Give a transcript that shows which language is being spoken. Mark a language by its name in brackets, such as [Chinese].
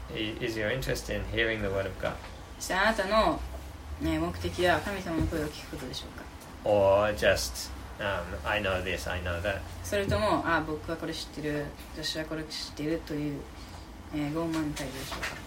[English] Is your interest in hearing the word of God? [Japanese] そのあなたの、ね、目的は神様の声を聞くことでしょうか。 [English] Or just, I know this, I know that. [Japanese] それとも、あ、僕はこれ知ってる、私はこれ知ってるという、傲慢態度でしょうか。